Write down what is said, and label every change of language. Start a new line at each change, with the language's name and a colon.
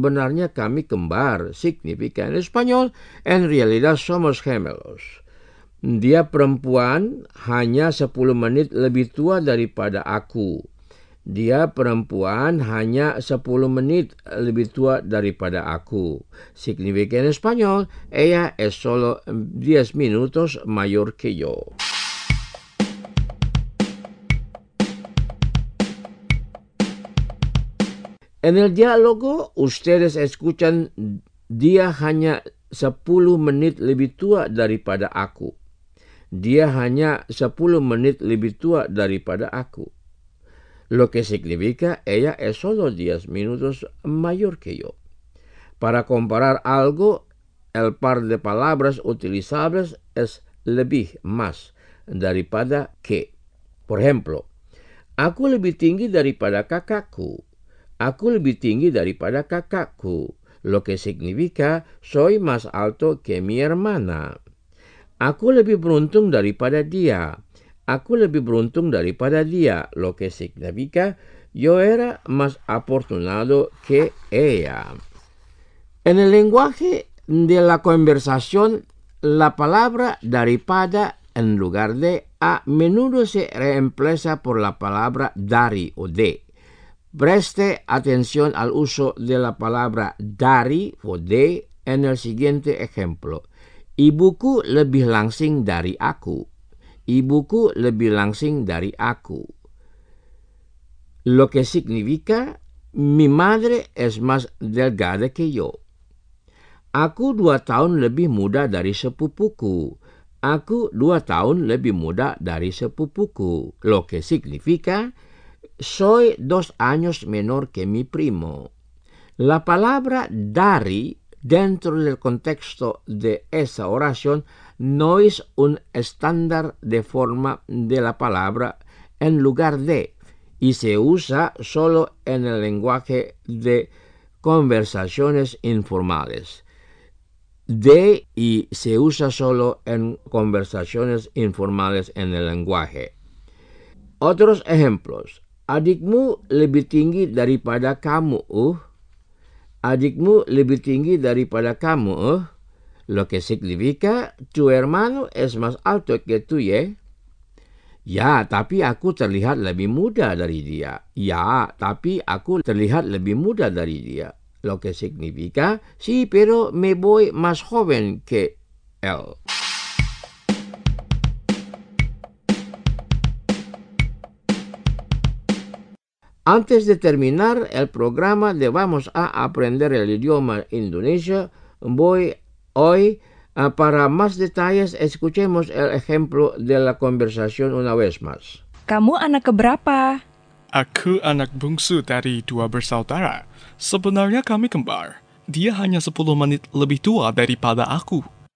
Indonesian: Sebenarnya kami kembar.
Spanish: Significa en español, en realidad somos gemelos.
Indonesian: Dia perempuan hanya 10 menit lebih tua daripada aku. Dia perempuan hanya 10 menit lebih tua daripada aku.
Spanish: Significa en español, ella es solo 10 minutos mayor que yo. En el diálogo, ustedes escuchan,
Indonesian: dia hanya 10 menit lebih tua daripada aku.
Spanish: Dia hanya 10 menit lebih tua daripada aku. Lo que significa, ella es solo 10 minutos mayor que yo. Para comparar algo, el par de palabras utilizables es lebih, más, daripada que. Por ejemplo,
Indonesian: aku lebih tinggi daripada kakakku. Aku lebih tinggi daripada kakakku.
Spanish: Lo que significa, soy más alto que mi hermana.
Indonesian: Aku lebih beruntung daripada dia. Aku lebih beruntung daripada dia,
Spanish: lo que significa yo era más afortunado que ella. En el lenguaje de la conversación, la palabra daripada en lugar de a menudo se reemplaza por la palabra dari o de. Preste atención al uso de la palabra dari o de en el siguiente ejemplo.
Indonesian: Ibuku lebih langsing dari aku. Ibuku lebih langsing dari aku.
Spanish: Lo que significa, mi madre es más delgada que yo.
Indonesian: Aku 2 tahun lebih muda dari sepupuku. Aku 2 tahun lebih muda dari sepupuku.
Spanish: Lo que significa, soy 2 años menor que mi primo. La palabra dari, dentro del contexto de esa oración, no es un estándar de forma de la palabra en lugar de, y se usa solo en el lenguaje de conversaciones informales. De y se usa solo en conversaciones informales en el lenguaje. Otros ejemplos.
Indonesian: Adikmu lebih tinggi daripada kamu, Adikmu lebih tinggi daripada kamu,
Spanish: Lo que significa, tu hermano es más alto que tú,
Indonesian: Ya, tapi aku terlihat lebih muda dari dia. Ya, tapi aku terlihat lebih muda dari dia.
Spanish: Lo que significa, sí, pero me voy más joven que él. Antes de terminar el programa de Vamos a Aprender el Idioma Indonesio, voy hoy para más detalles, escuchemos el ejemplo de la conversación una vez más.
Indonesian: ¿Kamu anak keberapa? Aku anak bungsu dari 2 bersaudara. Sebenarnya kami kembar. Dia hanya 10 menit lebih tua daripada aku.